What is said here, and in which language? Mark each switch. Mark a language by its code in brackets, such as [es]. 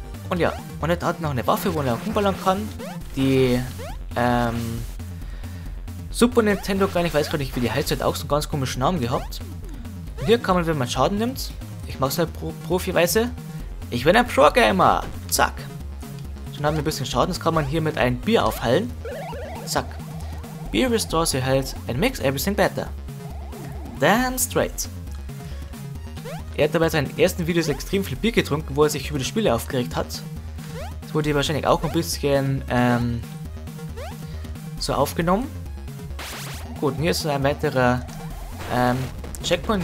[de] Und ja, und er hat noch eine Waffe, wo er rumballern kann, die Super Nintendo, ich weiß gar nicht, wie die heißt, hat auch so einen ganz komischen Namen gehabt. Und hier kann man, wenn man Schaden nimmt, ich mach's halt profiweise, ich bin ein Pro-Gamer, zack. Schon haben wir ein bisschen Schaden, das kann man hier mit einem Bier aufheilen, zack. [en] Beer restores your health and makes everything better. Damn straight. [de] Er hat dabei seinen ersten Videos extrem viel Bier getrunken, wo er sich über die Spiele aufgeregt hat. Das wurde wahrscheinlich auch ein bisschen so aufgenommen. Gut, hier ist ein weiterer Checkpoint.